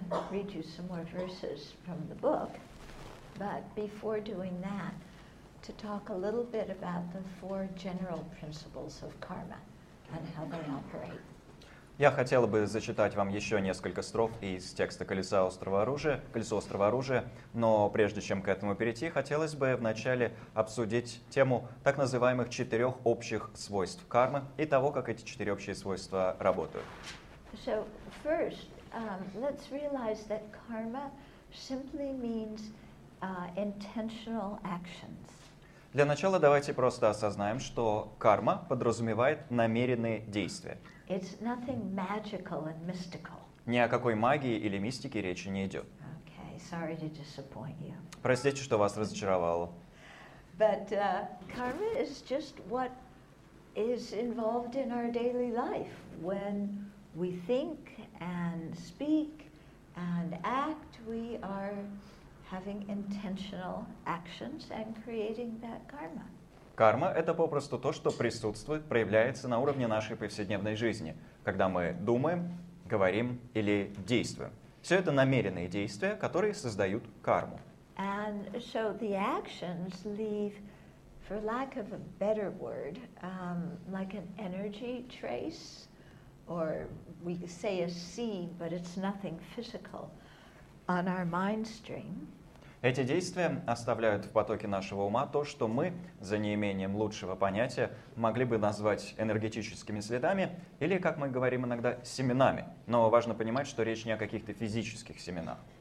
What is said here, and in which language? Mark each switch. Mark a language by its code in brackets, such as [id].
[en] Read you some more verses from the book, but before doing that, to talk a little bit about the four general principles of karma and how they operate. [ru] Я хотела бы зачитать вам еще несколько строк из текста «Колеса острова оружия», «Колесо острова оружия», но прежде чем к этому перейти, хотелось бы вначале обсудить тему так называемых четырех общих свойств кармы и того, как эти четыре общие свойства работают. [en] So first, let's realize that karma simply means intentional actions. [ru] Для начала давайте просто осознаем, что карма подразумевает намеренные действия. [en] It's nothing magical and mystical. [ru] Ни о какой магии или мистике речи не идет. [en] Okay, sorry to disappoint you. [ru] Простите, что вас разочаровало. [en] But karma is just what is involved in our daily life when we think and speak and act, we are having intentional actions and creating that karma. [ru] Карма — это попросту то, что присутствует, проявляется на уровне нашей повседневной жизни, когда мы думаем, говорим или действуем. Все это намеренные действия, которые создают карму. [en] And so the actions leave, for lack of a better word, like an energy trace. Or we say a seed, but it's nothing physical, on our mind stream. [ru] Эти действия оставляют в потоке нашего ума то, что мы, за неимением лучшего понятия, могли бы назвать энергетическими следами, или, как мы говорим иногда, семенами. Но важно понимать, что речь не о каких-то физических семенах.